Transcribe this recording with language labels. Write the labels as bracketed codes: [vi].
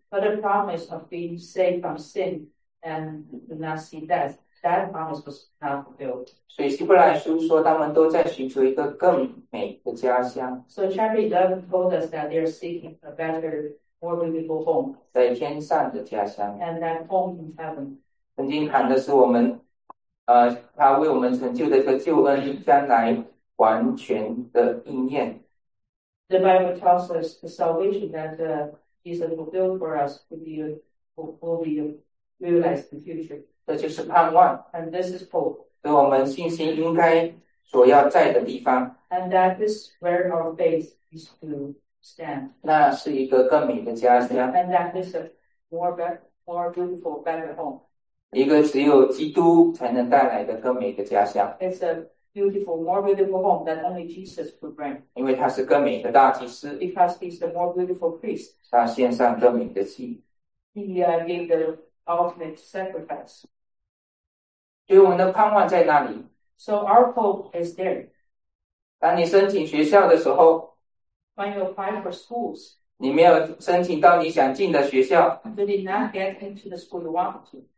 [en] But the promise of being saved from sin and not see death, that promise was not fulfilled. [zh] 所以希伯来书说，他们都在寻求一个更美的家乡. [en] So chapter 11 told us that they are seeking a better, more beautiful home. [zh] 在天上的家乡. [en] And that home in heaven. [zh] 曾经谈的是我们, 他为我们成就的这个救恩，将来完全的应验. [en] The Bible tells us the salvation that is fulfilled for us will be realized in the future. [zh] 这就是盼望, [en] and this is hope. [zh] 所以我们信心应该所要在的地方, [en] and that is where our faith is to stand. [zh] 那是一个更美的家乡, [en] and that is a more beautiful, better home. [zh] 一个只有基督才能带来的更美的家乡. [en] It's a beautiful, more beautiful home that only Jesus could bring. [zh] 因为他是更美的大祭司, [en] because he's the more beautiful priest. [zh] 他献上更美的祭, [en] he gave the ultimate sacrifice. [zh] 对我们的盼望在哪里? [en] So our hope is there. [zh] 当你申请学校的时候, [en] when you apply for schools, [zh] 你没有申请到你想进的学校, [en] you did not get into the school you want to.